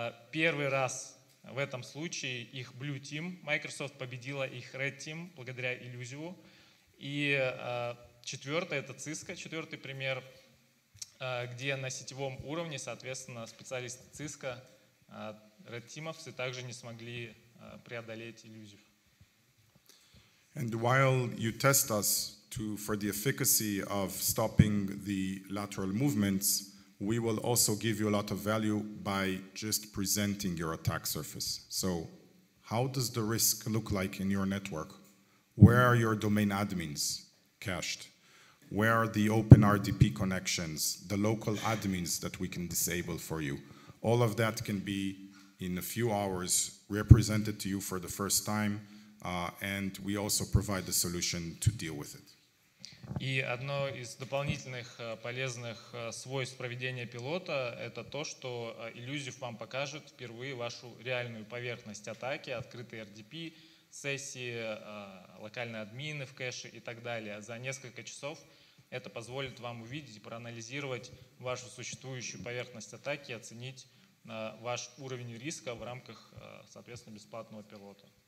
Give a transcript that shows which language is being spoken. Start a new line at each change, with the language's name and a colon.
Russian: Первый раз в этом случае их Blue Team, Microsoft, победила их Red Team благодаря Illusio. И четвертый — это Cisco, четвертый пример, где на сетевом уровне, соответственно, специалисты Cisco, Red Team'ов, также не смогли преодолеть Illusio.
English: And while you test us for the efficacy of stopping the lateral movements, we will also give you a lot of value by just presenting your attack surface. So how does the risk look like in your network? Where are your domain admins cached? Where are the open RDP connections, the local admins that we can disable for you? All of that can be, in a few hours, represented to you for the first time, and we also provide the solution to deal with it.
Russian: И одно из дополнительных полезных свойств проведения пилота — это то, что Illusio вам покажет впервые вашу реальную поверхность атаки, открытые RDP, сессии, локальные админы в кэше и так далее. За несколько часов это позволит вам увидеть и проанализировать вашу существующую поверхность атаки, оценить ваш уровень риска в рамках, соответственно, бесплатного пилота.